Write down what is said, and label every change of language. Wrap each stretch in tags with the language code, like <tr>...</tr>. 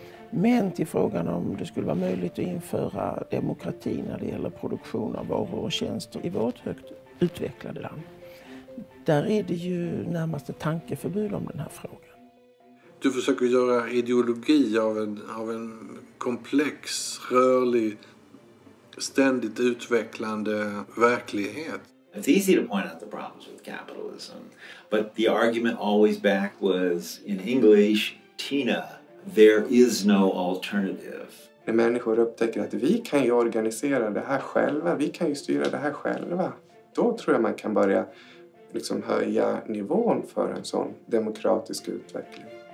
<sv>Men till frågan om det skulle vara möjligt att införa demokrati när det gäller produktion av varor och tjänster i vårt högt utvecklade land. Där är det ju närmast ett tankeförbud om den här frågan. Du försöker göra ideologi av en komplex, rörlig, ständigt utvecklande verklighet.</sv> <en>It's easy to point out the problems with capitalism. But the argument always back was in English, Tina. There is no alternative.</en> <sv>När människor upptäcker att vi kan ju organisera det här själva, vi kan ju styra det här själva, då tror jag man kan börja liksom höja nivån för en sån demokratisk utveckling.</sv>